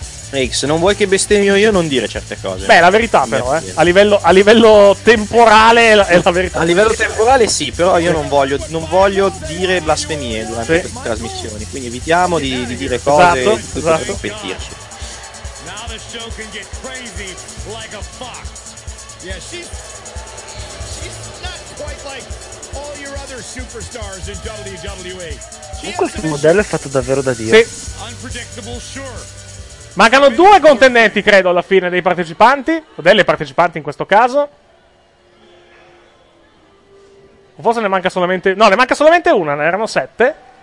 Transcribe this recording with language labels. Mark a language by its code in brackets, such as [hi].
[it] X, non vuoi che bestemmio io non dire certe cose? Beh, la verità, però, a livello temporale è la verità. A livello temporale sì, però io non voglio dire blasfemie durante queste trasmissioni, quindi evitiamo di dire cose, esatto, e di ripetirci. [en] Show can get crazy like a fox. Yeah, she's not quite like all your other superstars in WWE. [it] Comunque questo modello è fatto davvero da Dio. Sì. Mancano due contendenti, credo, alla fine dei partecipanti, o delle partecipanti in questo caso. Forse ne manca solamente... No, ne manca solamente una, ne erano sette.